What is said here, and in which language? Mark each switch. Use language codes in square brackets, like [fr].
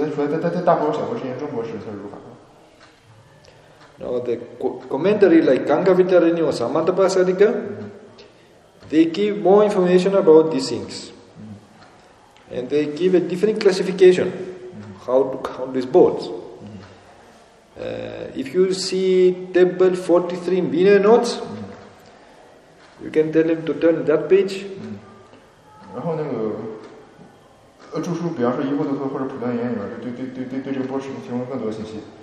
[zh] 佛陀说这个波有三种尺寸，然后呢，大波、中波、小波，然后那个波的量超过了那个波的尺寸，如果超过了大波，它就是那个不如法的，波的尺寸如果超过了小波，也不如法的，只有那个就是纯在出来的大波、小波之间，中波尺寸是如法的。 [en] Now the commentary like Gangavitarini or Samantabhasarika, they give more information about these things. And they give a different classification, how to count these boards. If you see table 43 in Vinaya notes, you can tell him to turn that page. [zh] 然后那个著书，比方说《一波多陀》或者《普断言》里面，对这个波尺寸提供更多信息。